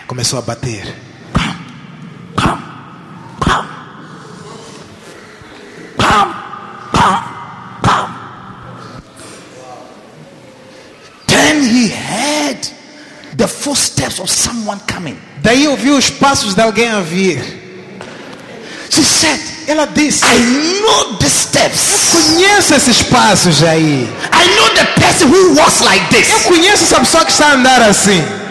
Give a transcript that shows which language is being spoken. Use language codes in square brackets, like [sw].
[pt] Começou a bater. [en] Come. Come. Come. Come. Come. Come. Then he heard the footsteps of someone coming. [pt] Daí ouviu os passos de alguém a vir. [en] She said, [pt] ela disse, [en] I know the steps. [pt] Eu conheço esses passos aí. [en] I know the person who walks like this. [pt] Eu conheço essa pessoa que está a andar assim.